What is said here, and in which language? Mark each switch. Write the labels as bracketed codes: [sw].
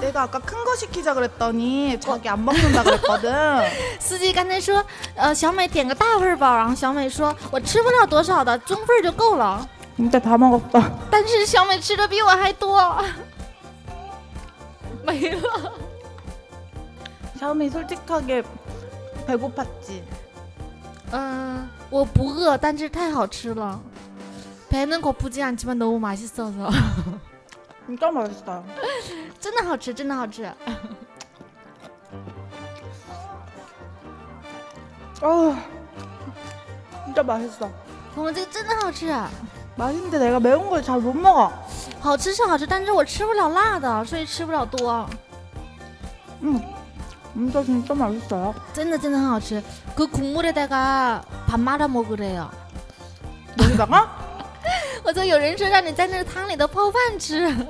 [ko] 내가아까큰거시키자그랬더니자기안먹는다그랬거든 [zh] 司机刚才说小美点个大份吧然后小美说我吃不了多少的中份就够了 [ko] 근데다먹었어 [zh] 但是小美吃的比我还多没了 [ko] 샤오미솔직하게배고팠지 [zh] 我不饿但是太好吃了 [ko] 배는고프지않지만너무맛있어서 진짜맛있어요 [zh] 真的好吃真的好吃 [ko] 진짜맛있어 [zh] 朋友这个真的好吃 [ko] 맛있는데내가매운걸잘못먹어 [zh] 好吃是好吃但是我吃不了辣的所以吃不了多 [ko] 진짜진짜맛있어요 진짜진짜맛있어그국물에다가밥말아먹으래요 여기다가 [zh] 我说有人说让你在那汤里头泡饭吃